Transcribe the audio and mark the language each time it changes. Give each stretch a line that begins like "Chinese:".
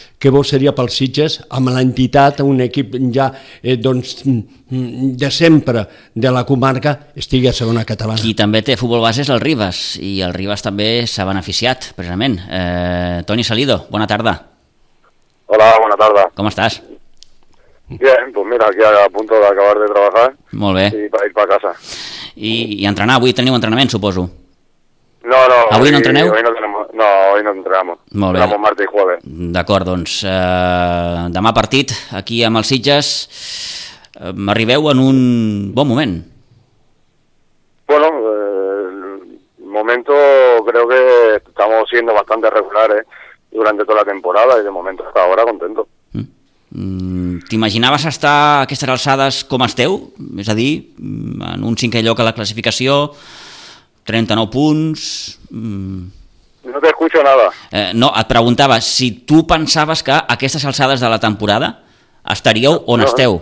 Catalan: Què bo seria pels Sitges amb l'entitat, un equip ja doncs, de sempre de la comarca, estigui a segona catalana. Qui també té futbol base és el Ribas, i el Ribas també s'ha beneficiat, precisament. Toni Salido, bona tarda. Hola, bona tarda. Com estàs?
Spanish: Bien, pues mira, aquí a punto de acabar de trabajar.
Catalan: Molt bé.
Spanish: Y para ir para casa.
Catalan: I entrenar, avui teniu entrenament, suposo.
Spanish: No, no.
Catalan: Avui no entreneu?
Spanish: Hoy no entrenamos.
Catalan: Molt bé.
Spanish: Entrenamos martes y jueves.
Catalan: D'acord, doncs demà partit aquí amb els Sitges. Arribeu en un bon moment.
Spanish: Bueno, el momento creo que estamos siendo bastante regulares durante toda la temporada y de momento hasta ahora contento.
Catalan: T'imaginaves estar a aquestes alçades com esteu? És a dir, en un cinquè lloc a la classificació, 39 punts...
Spanish: No te escucho nada.
Catalan: No, et preguntava si tu pensaves que a aquestes alçades de la temporada estaríeu on esteu.